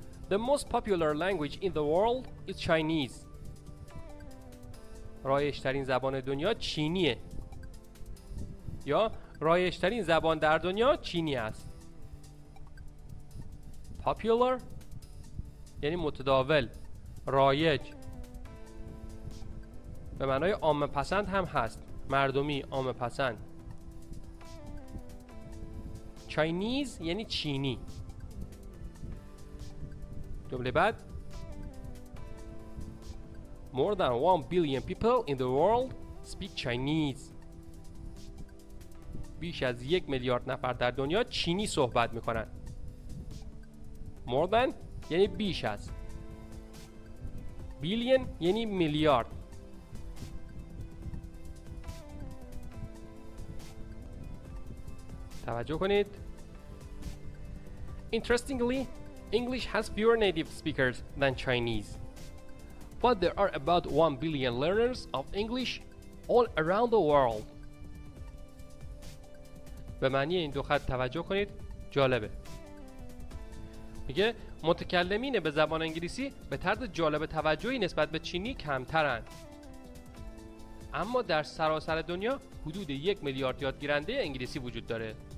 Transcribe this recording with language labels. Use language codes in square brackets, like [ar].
[en] The most popular language in the world is Chinese. [fa] رایج‌ترین زبان دنیا چینیه. یا رایج‌ترین زبان در دنیا چینی است. Popular یعنی متداول، رایج. به معنای عام پسند هم هست، مردمی، عام پسند. چاینیز یعنی چینی. جمله بعد. [en] More than 1 billion people in the world speak Chinese. [fa] بیش از 1 میلیارد نفر در دنیا چینی صحبت میکنن. More than یعنی بیش از. Billion یعنی میلیارد. توجه کنید. [en] Interestingly, English has fewer native speakers than Chinese. But there are about 1 billion learners of English all around the world. [fa] به معنی این دو خط توجه کنید، جالبه. میگه متکلمین به زبان انگلیسی به طرز جالب توجهی نسبت به چینی کمترند. اما در سراسر دنیا حدود 1 میلیارد یادگیرنده انگلیسی وجود داره.